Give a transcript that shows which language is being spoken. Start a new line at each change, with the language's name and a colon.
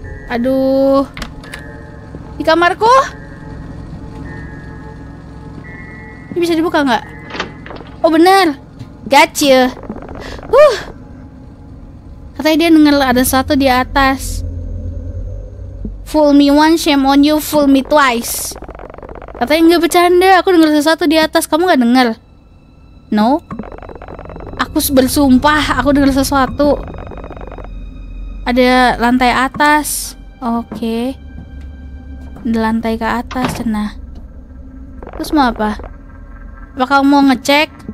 Indonesian: Aduh. Di kamarku? Ini bisa dibuka enggak? Oh, benar. Gotcha. Katanya dia denger ada sesuatu di atas.
English: Fool me once, shame on you, fool me twice.
Indonesian: Katanya gak bercanda, aku denger sesuatu di atas, kamu gak denger? No. Aku bersumpah, aku denger sesuatu. Ada lantai atas. Oke. Okay. Lantai ke atas, nah. Terus mau apa? Apa kamu mau ngecek?